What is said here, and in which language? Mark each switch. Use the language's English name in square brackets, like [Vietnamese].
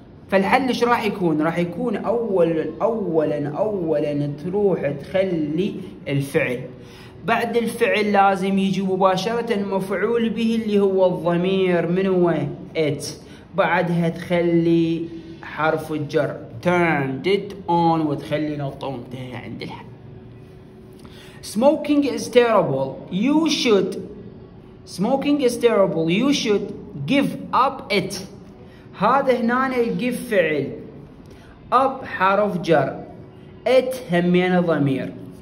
[Arabic] فالحل ايش راح يكون؟ راح يكون اولا تروح تخلي الفعل، بعد الفعل لازم يجي مباشره مفعول به اللي هو الضمير من هو ات، بعدها تخلي حرف الجر [English] turned it on [Arabic] وتخلي نقطه وانتهى عند الحل. [English] smoking is terrible you should smoking is terrible you should give up it. [Arabic] هذا هنا الجيف فعل، up حرف جر، it همينه ضمير،